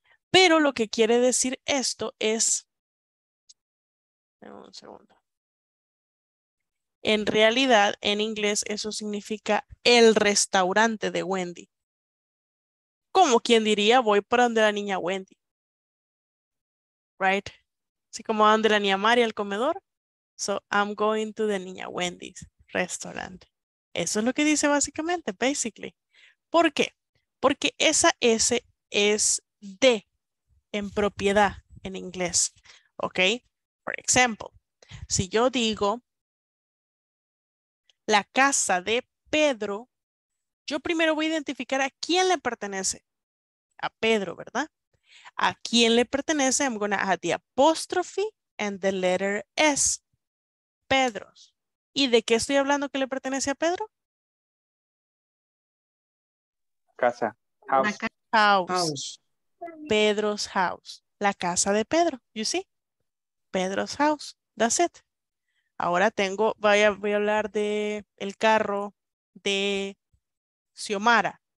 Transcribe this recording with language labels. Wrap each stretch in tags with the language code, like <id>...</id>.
<es>Pero lo que quiere decir esto es, un segundo. En realidad, en inglés, eso significa el restaurante de Wendy. Como quien diría, voy para donde la niña Wendy. Right? Así como donde la niña María al comedor.</es> <en>So, I'm going to the niña Wendy's restaurant.</en> <es>Eso es lo que dice básicamente, basically. ¿Por qué? Porque esa S es de, en propiedad, en inglés. ¿Ok? For example, si yo digo la casa de Pedro, yo primero voy a identificar a quién le pertenece. A Pedro, ¿verdad? ¿A quién le pertenece?</es> <en>I'm going to add the apostrophe and the letter S. Pedro's.</en> <es>¿Y de qué estoy hablando que le pertenece a Pedro?</es> <en>Casa. House. House. Pedro's house.</en> <es>La casa de Pedro.</es> <en>You see? Pedro's house. That's it.</en> <es>Ahora tengo, voy a hablar de el carro de Xiomara.</es>